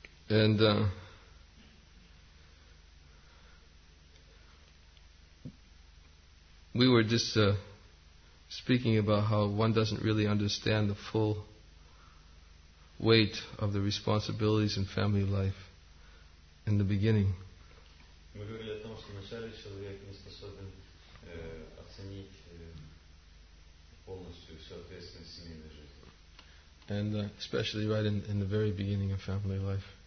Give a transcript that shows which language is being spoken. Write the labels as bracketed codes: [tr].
[en] And we were just speaking about how one doesn't really understand the full weight of the responsibilities in family life in the beginning. [ru] Мы говорили о том, что вначале человек не способен оценить полностью всю ответственность семейной жизни. [en] And especially right in the very beginning of family life.